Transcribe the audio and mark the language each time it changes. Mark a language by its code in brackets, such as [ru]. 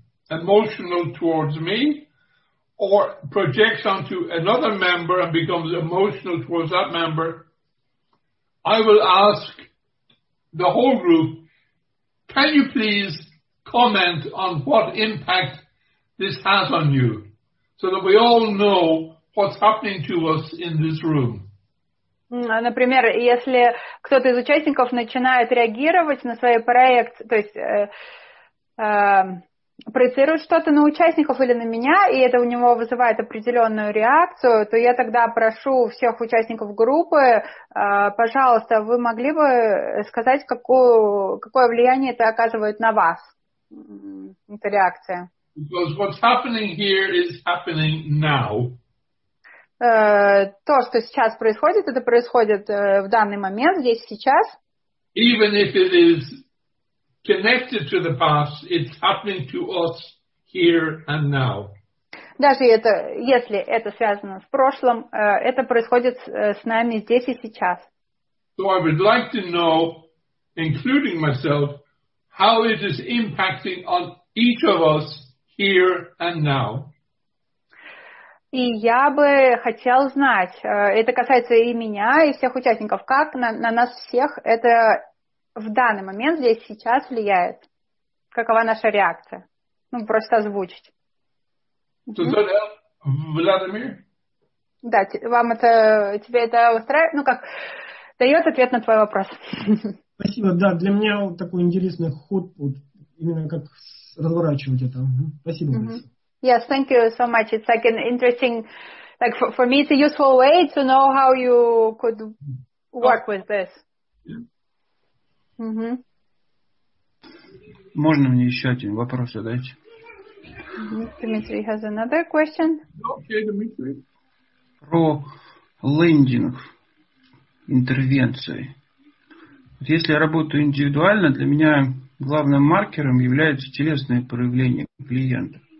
[en] emotional towards me, or projects onto another member and becomes emotional towards that member, I will ask the whole group, can you please comment on what impact this has on you, so that we all know what's happening to us in this room. [ru] Например, если кто-то из участников начинает реагировать на свои проекции, то есть проецирует что-то на участников или на меня, и это у него вызывает определенную реакцию, то я тогда прошу всех участников группы, пожалуйста, вы могли бы сказать, какое влияние это оказывает на вас, эта реакция? [en] Because what's happening here is happening now. [ru] То, что сейчас происходит, это происходит в данный момент, здесь, сейчас. [en] Even if it is connected to the past, it's happening to us here and now. [ru] Даже это, если это связано с прошлым, это происходит с нами здесь и сейчас. [en] So I would like to know, including myself, how it is impacting on each of us here and now. [ru] И я бы хотел знать, это касается и меня, и всех участников, как на нас всех это в данный момент здесь сейчас влияет? Какова наша реакция? Ну, просто озвучить. [en] Does that help, Vladimir? [ru] Да, вам это, тебе это устраивает? Ну, как, дает ответ на твой вопрос. Спасибо, да, для меня вот такой интересный ход, вот, именно как разворачивать это. Спасибо большое. [en] Yes, thank you so much. It's like an interesting, like for me, it's a useful way to know how you could work with this. [ru] Можно мне еще один вопрос задать? [en] Dmitry has another question. Okay, Dmitry. [ru] Про лендинг, интервенции. Вот если я работаю индивидуально, для меня главным маркером является телесное проявление клиента.